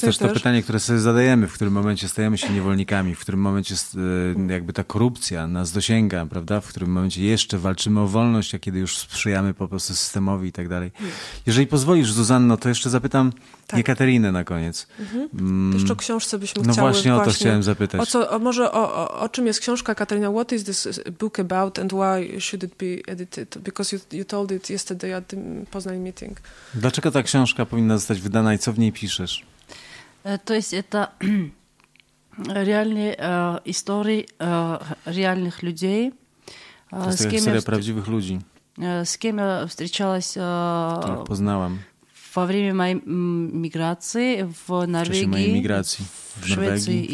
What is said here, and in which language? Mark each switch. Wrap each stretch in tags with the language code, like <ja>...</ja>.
<pl>to jest też to pytanie, które sobie zadajemy, w którym momencie stajemy się niewolnikami, w którym momencie jakby ta korupcja nas dosięga, prawda? W którym momencie jeszcze walczymy o wolność, a kiedy już sprzyjamy po prostu systemowi i tak dalej. Jeżeli pozwolisz, Zuzanno, to jeszcze zapytam tak. Jekaterinę na koniec. Mhm. Jeszcze o książce byśmy chciały. No właśnie o to chciałem zapytać. O czym jest książka Katarina?</pl> <en>What is this book about and why should it be edited? Because you told it yesterday at the Poznań meeting.</en> <pl>Dlaczego ta książka powinna zostać wydana i co w niej piszesz? To jest to realne historie realnych ludzi. To jest historia prawdziwych ludzi. Z kim ja</pl> <ru>встречалась,</ru> <pl>których poznałam.</pl> <ru>Во время моей миграции в Норвегии, моей миграции, в Норвегии,</ru>